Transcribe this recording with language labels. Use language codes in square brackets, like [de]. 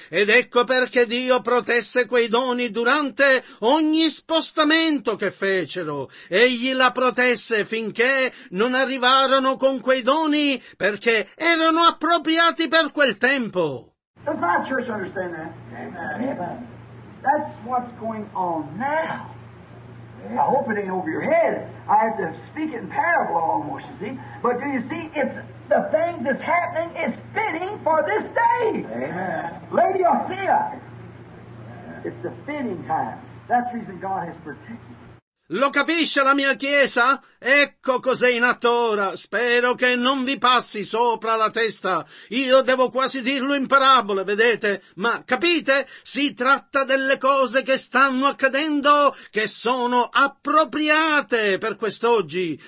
[it] Ed ecco perché Dio protesse quei doni durante ogni spostamento che fecero. Egli la protesse finché non arrivarono con quei doni, perché erano appropriati per quel tempo. [en] Does my church understand that? Amen. That's what's going on now. I hope it ain't over your head. I have to speak it in parable almost, you see. But do you see, it's the thing that's happening is fitting for this day. Amen. Lady Othea, it's the fitting time. That's the reason God has protected you. [it] Lo capisce la mia chiesa? Ecco cos'è in atto ora. Spero che non vi passi sopra la testa. Io devo quasi dirlo in parabole, vedete? Ma capite? Si tratta delle cose che stanno accadendo, che sono appropriate per quest'oggi.